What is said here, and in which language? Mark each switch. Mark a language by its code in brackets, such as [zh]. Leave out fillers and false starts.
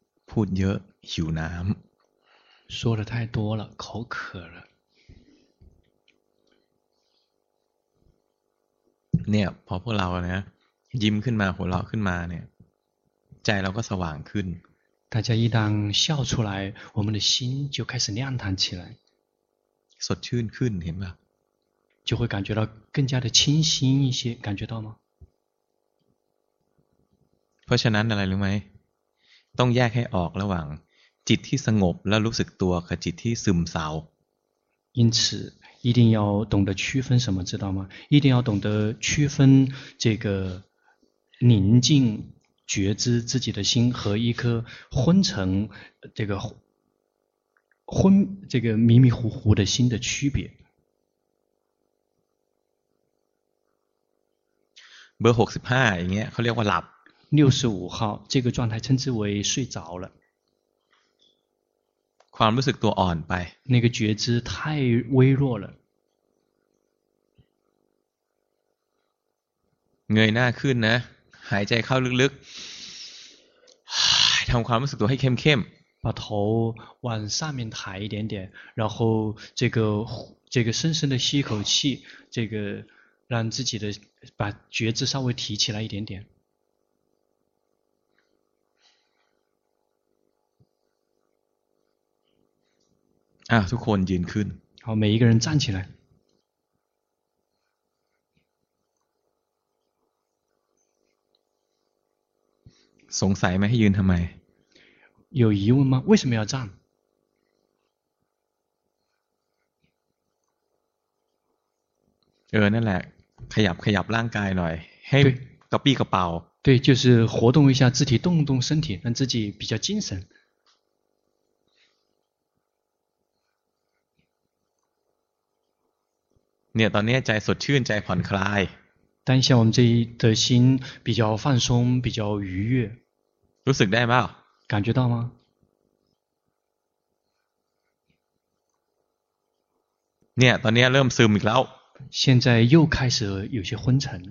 [th] พูดเยอะหิวน้ำ [zh] 说的太多了口渴了 [th] เนี่ยพอพวกเราเนี่ยยิ้มขึ้นมาหัวเราะขึ้นมาเนี่ยใจเราก็สว่างขึ้น [zh] 大家一旦笑出来我们的心就开始亮堂起来 [th] สดชื่นขึ้นเห็นป่ะ [zh] 就会感觉到更加的清新一些感觉到吗 [th] เพราะฉะนั้นอะไรรู้ไหมต้องแยกให้ออกระหว่างจิตที่สงบและรู้สึกตัวกับจิตที่ซึมเศร้า [zh] 因此一定要懂得区分什么知道吗一定要懂得区分这个宁静觉知自己的心和一颗昏沉这个昏这个迷迷糊糊的心的区别 [th] เบอร์65อย่างเงี้ยเขาเรียกว่าหลับ [zh] 65号这个状态称之为睡着了 [th] ความรู้สึกตัวอ่อนไป [zh] 那个觉知太微弱了 [th] เงยหน้าขึ้นนะหายใจเข้าลึกๆทำความรู้สึกตัวให้เข้ม [zh] ๆ把头往上面抬一点点然后这个深深的吸口气这个让自己的把觉知稍微提起来一点点 [th] ทุกคนยืนขึ้น [zh] 好每一个人站起来 [th] สงสัยไหมให้ยืนทำไม [zh] 有疑问吗为什么要站 [th] นั่นแหละขยับร่างกายหน่อยให้กระปี้กระเป๋า [zh] 对就是活动一下肢体动动身体让自己比较精神 [th] เนี่ยตอนนี้ใจสดชื่นใจผ่อนคลาย [zh] 当下我们这的心比较放松比较愉悦 [th] รู้สึกได้ป่าว [zh] 感觉到吗 [th] เนี่ยตอนนี้เริ่มซึมอีกแล้ว [zh] 现在又开始有些昏沉